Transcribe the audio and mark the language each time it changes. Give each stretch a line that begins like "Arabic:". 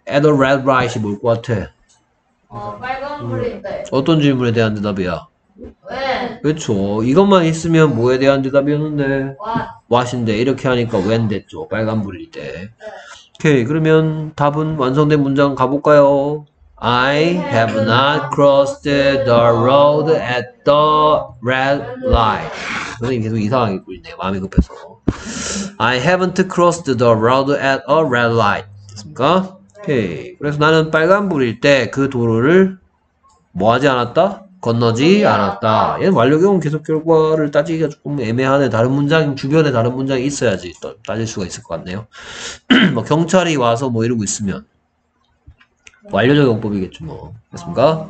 English: at a red light
Korean: 이 뭘 것 같아? 빨간불인데. 어떤 질문에 대한 대답이야? 왜? 그렇죠. 이것만 있으면 뭐에 대한 대답이었는데? what? what인데 이렇게 하니까 when 됐죠. 빨간불일 때. 네. 오케이. 그러면 답은 완성된 문장 가볼까요?
English: I have not crossed the road at the red light.
Korean: 선생님 계속 이상하게 굴리네. 마음이 급해서.
English: I haven't crossed the road at a red light.
Korean: 됐습니까? 오케이. 그래서 나는 빨간불일 때 그 도로를 뭐하지 않았다? 건너지 않았다. 얘는 완료경은 계속 결과를 따지기가 조금 애매하네. 다른 문장, 주변에 다른 문장이 있어야지 따질 수가 있을 것 같네요. 뭐 경찰이 와서 뭐 이러고 있으면. 완료적 용법이겠죠 뭐. 됐습니까?